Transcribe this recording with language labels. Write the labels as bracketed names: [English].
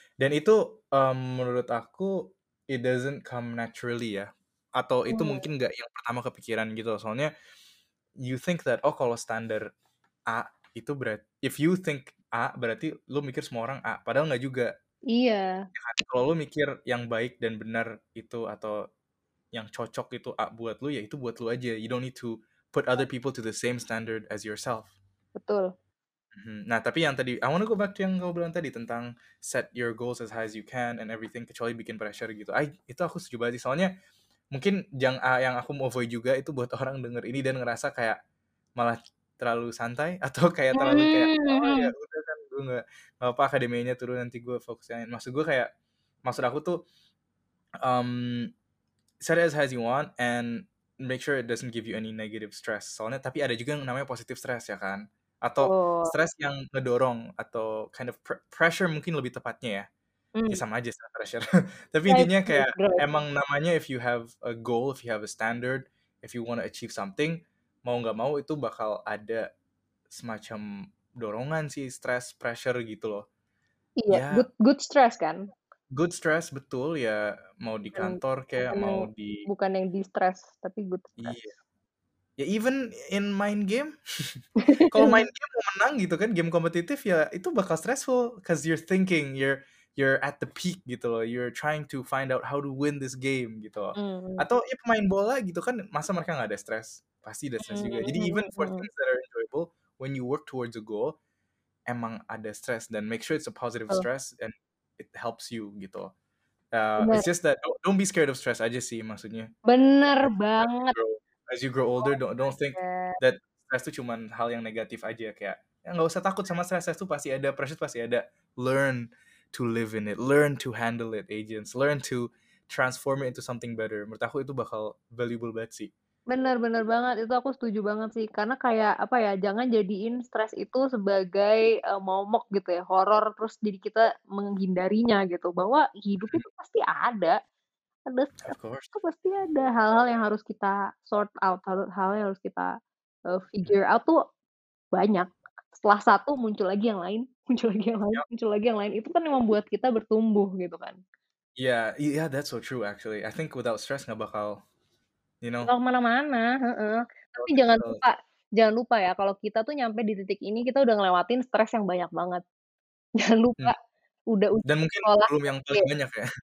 [Indonesian] Dan itu menurut aku [English] it doesn't come naturally [Indonesian] ya, atau itu mungkin enggak yang pertama kepikiran gitu loh. Soalnya [English] you think that [Indonesian] oh kalau standar A itu berat, [English] if you think A, [Indonesian] berarti lu mikir semua orang A. Padahal nggak juga. Iya. Ya, kalau lu mikir yang baik dan benar itu, atau yang cocok itu buat lu, ya itu buat lu aja. [English] You don't need to put other people to the same standard as yourself. [Indonesian] Betul. Nah, tapi yang tadi, [English] I want to go back to [Indonesian] yang kau bilang tadi tentang [English] set your goals as high as you can and everything, [Indonesian] kecuali bikin pressure gitu. Itu aku setuju banget sih. Soalnya, mungkin yang aku mau avoid juga itu buat orang denger ini dan ngerasa kayak malah terlalu santai atau kayak terlalu kayak, oh ya udah kan, gue gak apa akademianya turun, nanti gue fokusnya. Maksud gue kayak, maksud aku tuh, [English] set it as high as you want and make sure it doesn't give you any negative stress. [Indonesian] Soalnya, tapi ada juga yang namanya positive stress, ya kan? Atau stress yang ngedorong, atau kind of pressure mungkin lebih tepatnya ya. Ya sama aja sama pressure. Tapi intinya kayak, emang namanya [English] if you have a goal, if you have a standard, if you want to achieve something, [Indonesian] mau gak mau itu bakal ada semacam dorongan sih, stress, pressure gitu loh. Iya, yeah. good stress kan? Good stress, betul ya. Mau di kantor kayak, mau di... Bukan yang di-stress, tapi good stress. Iya. Yeah. [English] Ya, even in main game, [Indonesian] kalau main game mau menang gitu kan, game kompetitif, ya itu bakal [English] stressful, because you're thinking, you're at the peak gitu loh, you're trying to find out how to win this game gitu loh. [Indonesian] Atau ya pemain bola gitu kan, masa mereka gak ada stress? Pasti ada stress juga. [English] Jadi even for things that are enjoyable, when you work towards a goal, [Indonesian] emang ada stress, [English] dan make sure it's a positive stress, and it helps you gitu loh. It's just that, don't be scared of stress aja sih maksudnya. [Indonesian] Bener banget. [English] As you grow older, don't think that stress [Indonesian] itu cuma hal yang negatif aja. Kayak, ya gak usah takut sama stress. Stress itu pasti ada, pressure pasti ada. [English] Learn to live in it. Learn to handle it, agents. Learn to transform it into something better. [Indonesian] Menurut aku itu bakal valuable banget sih. Bener-bener banget. Itu aku setuju banget sih. Karena kayak, apa ya, jangan jadiin stress itu sebagai momok gitu ya. Horror, terus jadi kita menghindarinya gitu. Bahwa hidup itu pasti ada. Itu pasti ada hal-hal yang harus kita sort out, hal-hal yang harus kita figure out tuh banyak. Setelah satu muncul lagi yang lain, muncul lagi yang lain, muncul lagi yang lain. Itu kan yang membuat kita bertumbuh gitu kan. [English] Yeah, that's so true actually. I think without stress [Indonesian] nggak bakal, [English] you know. [Indonesian] Kalau mana-mana, tapi jangan lupa ya, kalau kita tuh nyampe di titik ini kita udah ngelewatin stres yang banyak banget. Jangan lupa udah ujian. Dan mungkin sekolah, belum yang paling banyak ya.